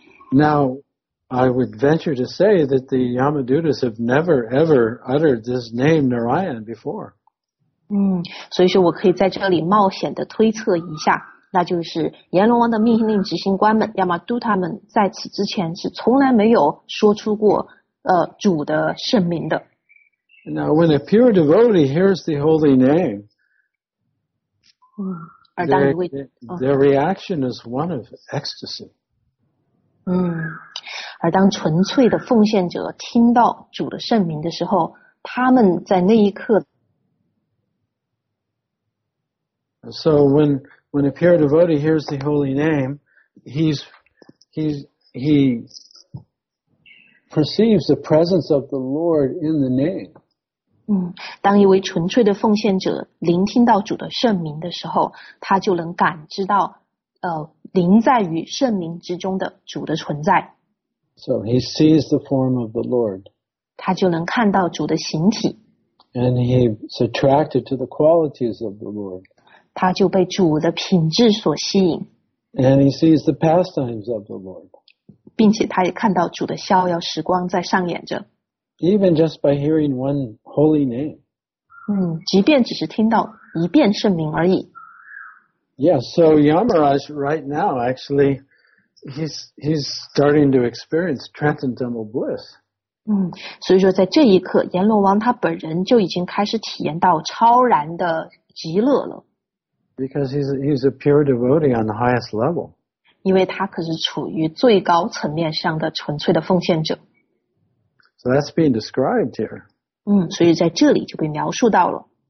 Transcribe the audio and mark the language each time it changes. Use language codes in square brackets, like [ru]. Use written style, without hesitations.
[en] Now, I would venture to say that the Yamadutas have never ever uttered this name Narayana before. [zh] 所以说我可以在这里冒险的推测一下，那就是阎罗王的命令执行官们 Yamaduta 们在此之前是从来没有说出过主的圣名的。 [en] Now, when a pure devotee hears the holy name, their reaction is one of ecstasy. [zh] 而当纯粹的奉献者听到主的圣名的时候，他们在那一刻。 [en] So when a pure devotee hears the holy name, he perceives the presence of the Lord in the name. [zh] 当一位纯粹的奉献者聆听到主的圣名的时候，他就能感知到临在于圣名之中的主的存在。 [en] So he sees the form of the Lord. [zh] 他就能看到主的形体。 [en] And he's attracted to the qualities of the Lord. [zh] 他就被主的品质所吸引。 [en] And he sees the pastimes of the Lord. [zh] 并且他也看到主的逍遥时光在上演着。 [en] Even just by hearing one holy name. [zh] 即便只是听到一遍圣名而已。 [en] Yeah, so Yamaraj right now, actually, he's starting to experience transcendental bliss. [zh] 所以说在这一刻，阎罗王他本人就已经开始体验到超然的极乐了。 [en] Because he's a pure devotee on the highest level. [zh] 因为他可是处于最高层面上的纯粹的奉献者。 [en] So that's being described here. [zh] 所以在这里就被描述到了。